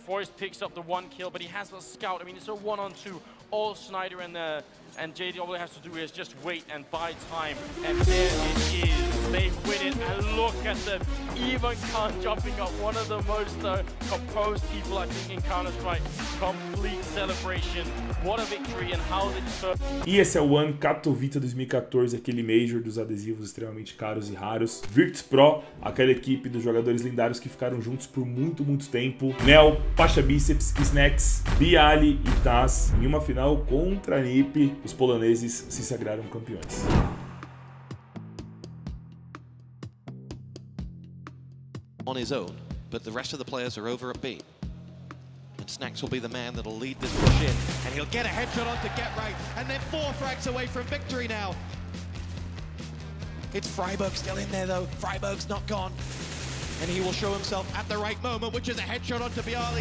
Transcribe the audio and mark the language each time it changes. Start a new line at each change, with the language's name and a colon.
English: Forrest picks up the one kill, but he has a scout. I mean, it's a 1-on-2. All Schneider and JD, all they have to do is just wait and buy time. And there it is. They win it. And look at them. Even Khan jumping up. One of the most composed people, I think, in Counter-Strike. Complete celebration. What a victory and how they deserve.
Portuguese: E esse é o One Katowice 2014, aquele Major dos adesivos extremamente caros e raros. Virtus Pro, aquela equipe dos jogadores lendários que ficaram juntos por muito, muito tempo. Neo, Pasha Biceps, Snacks, Biali e Taz. Em uma final contra a NiP, os poloneses se sagraram campeões.
English: On his own, but the rest of the players are over at B. And Snacks will be the man that'll lead this push in, and he'll get a headshot onto Get Right, and they're four frags away from victory now. It's Freiburg still in there though. Freiburg's not gone. And he will show himself at the right moment, which is a headshot onto Biali.